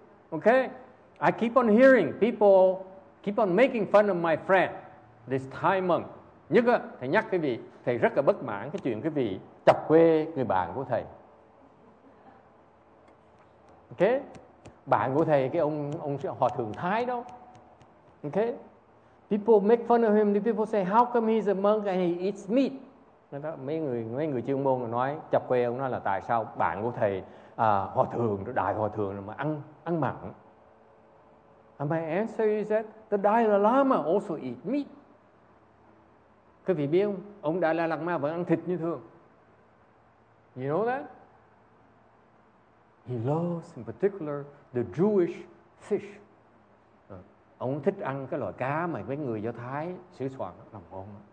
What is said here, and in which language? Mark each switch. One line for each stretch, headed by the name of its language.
English: Okay, I keep on hearing people keep on making fun of my friend, this Thai monk.
Vietnamese: Nhất á, thầy nhắc cái vị, thầy rất là bất mãn cái chuyện cái vị chọc quê người bạn của thầy. Okay, bạn của thầy cái ông hòa thượng Thái đó.
English: Okay, people make fun of him. The people say, how come he's a monk and he eats meat?
Vietnamese: Mấy người chuyên môn nói chọc quê ông, nói là tại sao bạn của thầy hòa thượng, đại hòa thượng mà ăn mặn.
English: And my answer is that the Dalai Lama also eat meat.
Vietnamese: Các vị biết không? Ông Dalai Lama vẫn ăn thịt như thường.
English: You know that? He loves in particular the Jewish fish.
Vietnamese: Ông thích ăn cái loại cá mà mấy người Do Thái sử soạn làm ngon.